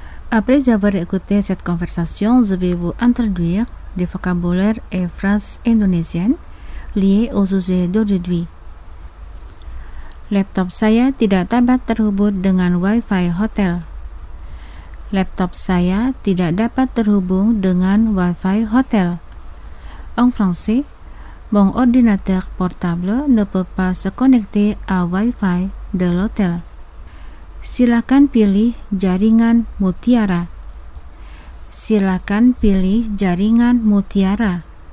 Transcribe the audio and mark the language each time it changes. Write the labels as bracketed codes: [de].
[fr] Après avoir écouté cette conversation, je vais vous introduire des vocabulaires et phrases indonésiennes liées au sujet d'aujourd'hui. [id] Laptop saya tidak dapat terhubung dengan Wi-Fi hotel. Laptop saya tidak dapat terhubung dengan Wi-Fi hotel. [fr] En français, mon ordinateur portable ne peut pas se connecter à Wi-Fi de l'hôtel. [id] Silakan pilih jaringan Mutiara. Silakan pilih jaringan Mutiara.